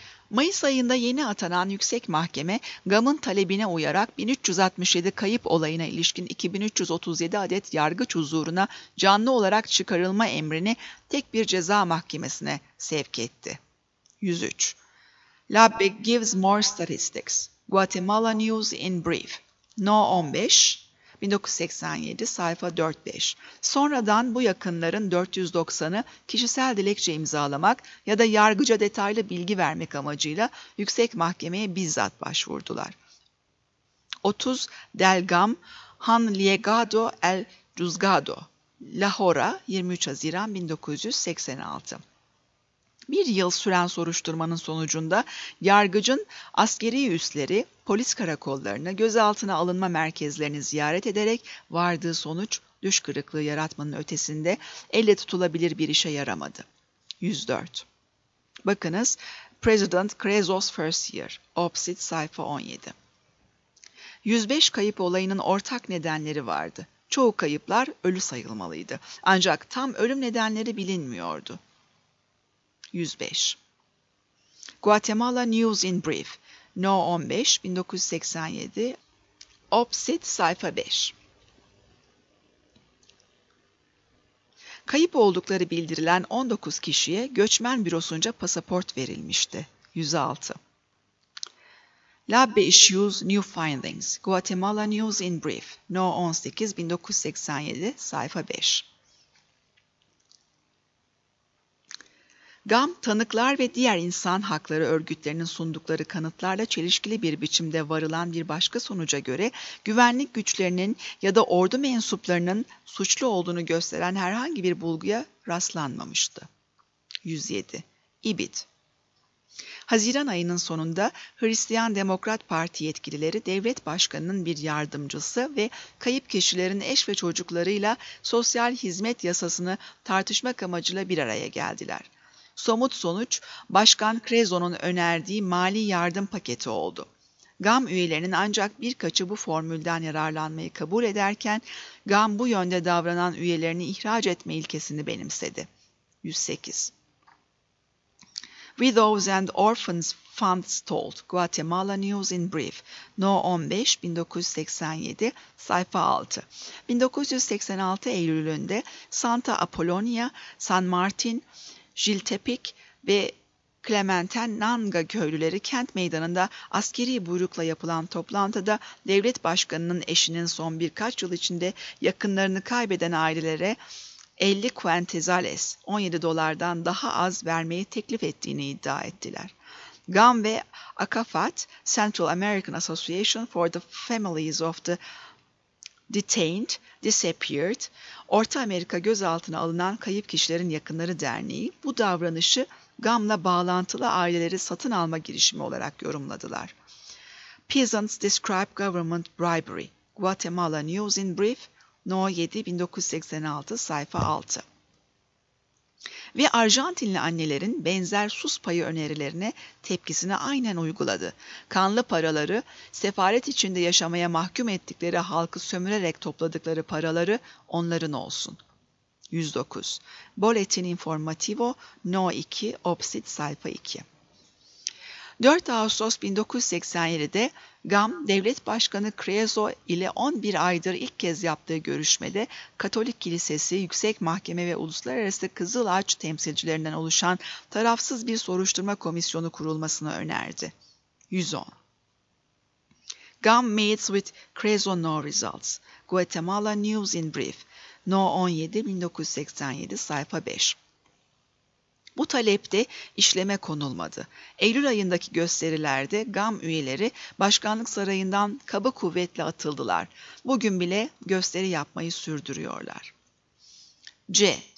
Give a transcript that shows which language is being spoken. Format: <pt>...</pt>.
<tr>Mayıs ayında yeni atanan Yüksek Mahkeme, GAM'ın talebine uyarak 1367 kayıp olayına ilişkin 2337 adet yargıç huzuruna canlı olarak çıkarılma emrini tek bir ceza mahkemesine sevk etti.</tr> <en>103. Labbe gives more statistics. Guatemala News in Brief.</en> <tr>No. 15, 1987, sayfa 4-5. Sonradan bu yakınların 490'ı kişisel dilekçe imzalamak ya da yargıca detaylı bilgi vermek amacıyla Yüksek Mahkemeye bizzat başvurdular. 30.</tr> <es>Delgam, Han Llegado el Juzgado, Lahora, 23 Haziran 1986.</es> <tr>Bir yıl süren soruşturmanın sonucunda yargıcın askeri üsleri, polis karakollarını, gözaltına alınma merkezlerini ziyaret ederek vardığı sonuç düş kırıklığı yaratmanın ötesinde elle tutulabilir bir işe yaramadı. 104.</tr> <en>Bakınız, President Creso's First Year, Opposite sayfa 17.</en> <tr>105 kayıp olayının ortak nedenleri vardı. Çoğu kayıplar ölü sayılmalıydı. Ancak tam ölüm nedenleri bilinmiyordu. 105.</tr> <en>Guatemala News in Brief, No.</en> <tr>15, 1987, Opposite sayfa 5. Kayıp oldukları bildirilen 19 kişiye göçmen bürosunca pasaport verilmişti. 106.</tr> <en>Labbe issues new findings, Guatemala News in Brief, No.</en> <tr>18, 1987, sayfa 5. GAM, tanıklar ve diğer insan hakları örgütlerinin sundukları kanıtlarla çelişkili bir biçimde varılan bir başka sonuca göre, güvenlik güçlerinin ya da ordu mensuplarının suçlu olduğunu gösteren herhangi bir bulguya rastlanmamıştı. 107. İBİT. Haziran ayının sonunda Hristiyan Demokrat Parti yetkilileri devlet başkanının bir yardımcısı ve kayıp kişilerin eş ve çocuklarıyla sosyal hizmet yasasını tartışmak amacıyla bir araya geldiler. Somut sonuç, Başkan Creso'nun önerdiği mali yardım paketi oldu. GAM üyelerinin ancak birkaçı bu formülden yararlanmayı kabul ederken, GAM bu yönde davranan üyelerini ihraç etme ilkesini benimsedi. 108.</tr> <en>Widows and Orphans Fund Stalled, Guatemala News in Brief, No.</en> <tr>15, 1987, sayfa 6. 1986 Eylül'ünde Santa Apolonia, San Martin, Jiltepec ve Clementenanga köylüleri kent meydanında askeri buyrukla yapılan toplantıda devlet başkanının eşinin son birkaç yıl içinde yakınlarını kaybeden ailelere 50 quetzales, 17 dolardan daha az vermeyi teklif ettiğini iddia ettiler. GAM ve ACAFAT,</tr> <en>Central American Association for the Families of the Detained, Disappeared,</en> <tr>Orta Amerika gözaltına alınan kayıp kişilerin yakınları derneği, bu davranışı GAM'la bağlantılı aileleri satın alma girişimi olarak yorumladılar.</tr> <en>Peasants Describe Government Bribery, Guatemala News in Brief, No.</en> <tr>7, 1986, sayfa 6. Ve Arjantinli annelerin benzer sus payı önerilerine tepkisini aynen uyguladı. Kanlı paraları, sefaret içinde yaşamaya mahkum ettikleri halkı sömürerek topladıkları paraları onların olsun. 109.</tr> <es>Boletin Informativo, No. 2, Opposite sayfa 2.</es> <tr>4 Ağustos 1987'de GAM, Devlet Başkanı Creso ile 11 aydır ilk kez yaptığı görüşmede Katolik Kilisesi, Yüksek Mahkeme ve Uluslararası Kızıl Ağaç temsilcilerinden oluşan tarafsız bir soruşturma komisyonu kurulmasını önerdi. 110.</tr> <en>Gum meets with Creso no results. Guatemala News in Brief.</en> <tr>No 17-1987 sayfa 5. Bu talepte işleme konulmadı. Eylül ayındaki gösterilerde GAM üyeleri başkanlık sarayından kaba kuvvetle atıldılar. Bugün bile gösteri yapmayı sürdürüyorlar. C.</tr>